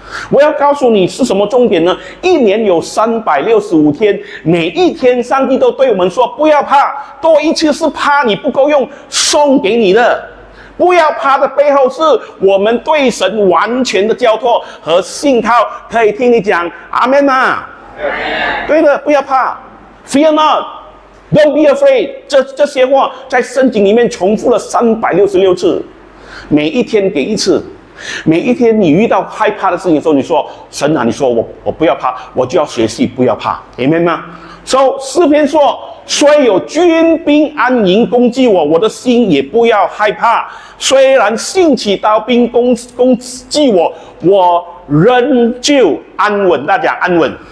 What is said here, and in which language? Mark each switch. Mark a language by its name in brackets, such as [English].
[Chinese] 我要告诉你是什么重点呢？一年有365天，每一天上帝都对我们说不要怕，多一次是怕你不够用，送给你的。不要怕的背后是我们对神完全的交托和信靠。可以听你讲阿们吗？对的，不要怕， [English] Fear not, don't be afraid。 [Chinese] 这些话在圣经里面重复了366次，每一天给一次。每一天你遇到害怕的事情的时候，你说神啊，你说我不要怕，我就要学习不要怕， Amen 吗？所以诗篇说，虽有军兵安营攻击我，我的心也不要害怕，虽然兴起刀兵攻击我，我仍旧安稳。大家安稳。